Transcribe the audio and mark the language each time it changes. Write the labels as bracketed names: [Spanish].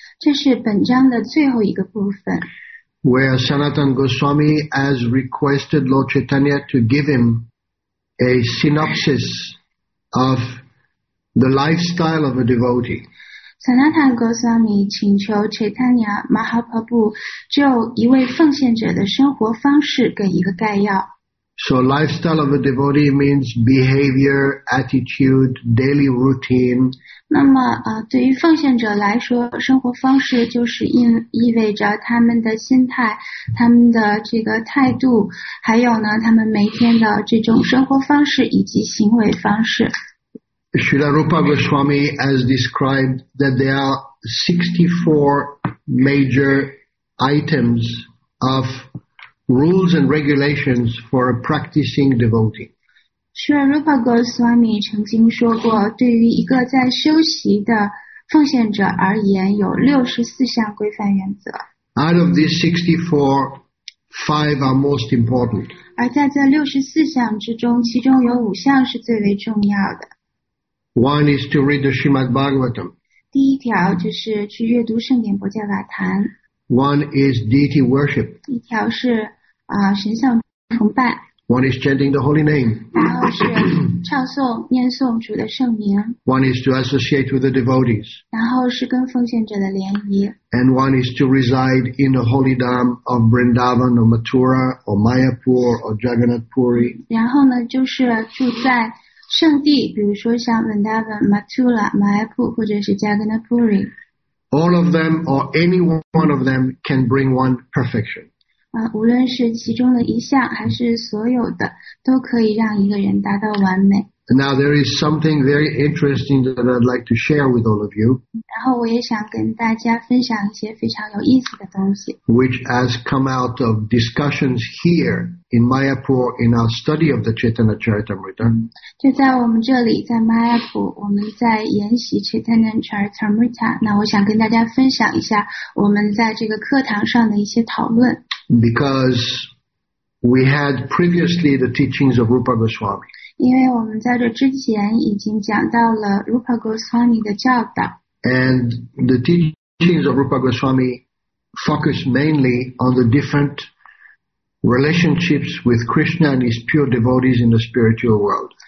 [Chinese] 这是本章的最后一个部分。 [English] Where Sanatan Goswami has requested Lord Chaitanya to give him a synopsis of the lifestyle of a devotee. [Chinese] Sanatan Goswami 请求 Chaitanya Mahaprabhu 就一位奉献者的生活方式给一个概要。 [English] So lifestyle of a devotee means behavior, attitude, daily routine. [Chinese] 那么对于奉献者来说，生活方式就是意味着他们的心态，他们的这个态度，还有呢他们每天的这种生活方式以及行为方式。 [English] Srila Rupa Goswami has described that there are 64 major items of rules and regulations for a practicing devotee. [Chinese] Srila Rupa Goswami 曾经说过，对于一个在修习的奉献者而言，有64项规范原则。 [English] Out of these 64, five are most important. [Chinese] 而在这64项之中，其中有五项是最为重要的。 [English] One is to read the Srimad Bhagavatam. [Chinese] 第一条就是去阅读圣典博伽瓦坛。 [English] One is deity worship. [Chinese] 一条是神像崇拜。 [English] One is chanting the holy name. [Chinese] 然后是唱诵念诵主的圣名。 [English] One is to associate with the devotees. [Chinese] 然后是跟奉献者的联谊。 [English] And one is to reside in the holy dham of Vrindavan or Mathura or Mayapur or Jagannath Puri. [Chinese] 然后呢就是住在圣地，比如说像 Vrindavan, Mathura, Mayapur, 或者是 Jagannath Puri. [English] All of them or any one of them can bring one perfection. [Chinese] 无论是其中的一项还是所有的都可以让一个人达到完美。 [English] Now there is something very interesting that I'd like to share with all of you. [Chinese] 然后我也想跟大家分享一些非常有意思的东西。 [English] Which has come out of discussions here in Mayapur in our study of the Chaitanya Charitamrita. [Chinese] 就在我们这里，在 Mayapur, 我们在研习 Chaitanya Charitamrita. 那我想跟大家分享一下我们在这个课堂上的一些讨论。 [English] Because we had previously the teachings of Rupa Goswami. [Chinese] 因为我们在这之前已经讲到了 Rupa Goswami 的教导。 [English] And the teachings of Rupa Goswami focus mainly on the different relationships with Krishna and his pure devotees in the spiritual world.